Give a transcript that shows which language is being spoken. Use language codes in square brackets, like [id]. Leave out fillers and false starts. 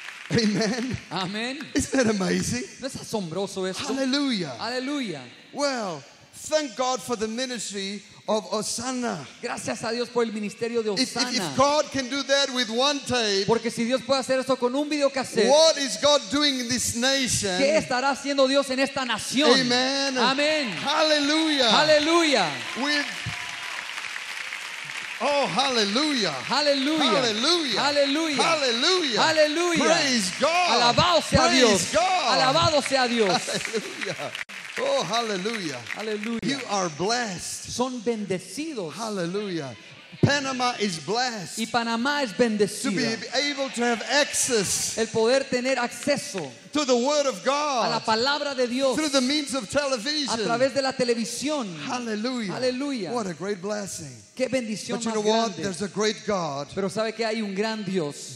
[en] Amen. [es] Amen. [en] Isn't that amazing? [es] ¿No es asombroso esto? [en] Hallelujah. [es] Hallelujah. [en] Well, thank God for the ministry of Osana. [es] Gracias a Dios por el ministerio de Osana. [en] If God can do that with one tape, [es] porque si Dios puede hacer esto con un videocassette, [en] what is God doing in this nation? [es] ¿Qué estará haciendo Dios en esta nación? [en] Amen. [es] Amen. [en] Hallelujah. [es] Hallelujah. [en] Oh, hallelujah. [es] Hallelujah. [en] Hallelujah. [es] Hallelujah. [en] Hallelujah. [es] Hallelujah. [en] Praise God. [es] Alabado sea [en] praise [es] Dios. [en] God. [es] Alabado sea Dios. [en] Hallelujah. Oh, hallelujah. [es] Hallelujah. [en] You are blessed. [es] Son bendecidos. [en] Hallelujah. Panama is blessed. [es] Y Panamá es bendecido. [en] To be able to have access. [es] El poder tener acceso. [en] To the word of God. [es] A la palabra de Dios. [en] Through the means of television. [es] A través de la televisión. [en] Hallelujah. [es] Hallelujah. [en] What a great blessing. [es] Qué bendición más grande. [en] There's a great God. [es] Pero sabe que hay un gran Dios.